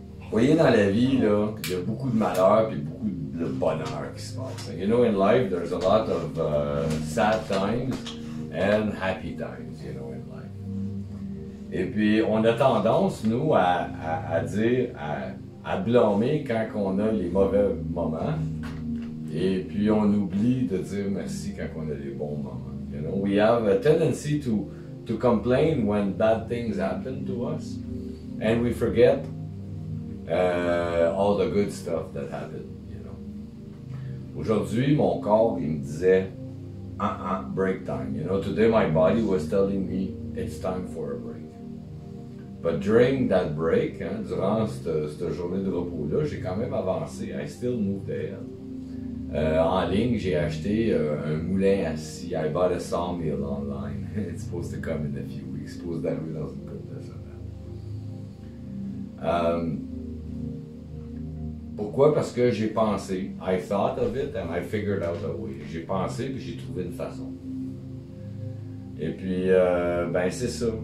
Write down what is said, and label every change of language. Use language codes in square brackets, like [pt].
[fr] Voyez, dans la vie, là, il y a beaucoup de malheur et beaucoup de bonheur qui se passe. [en] You know, in life, there's a lot of sad times and happy times, you know, in life. [fr] Et puis, on a tendance, nous, à blâmer quand on a les mauvais moments. Et puis, on oublie de dire merci quand on a les bons moments. [en] You know, we have a tendency to complain when bad things happen to us. And we forget all the good stuff that happened, you know. [fr] Aujourd'hui, mon corps, il me disait, [en] break time. You know, today my body was telling me, it's time for a break. But during that break, [fr] hein, durant cette journée de repos-là, j'ai quand même avancé. [en] I still moved ahead. [fr] En ligne, j'ai acheté un moulin à scie. [en] I bought a sawmill online. It's supposed to come in a few weeks. It's supposed to arrive [fr] dans une couple de semaines. Pourquoi? Parce que j'ai pensé. [en] I thought of it and I figured out a way. [fr] J'ai pensé puis j'ai trouvé une façon. Et puis, ben c'est ça.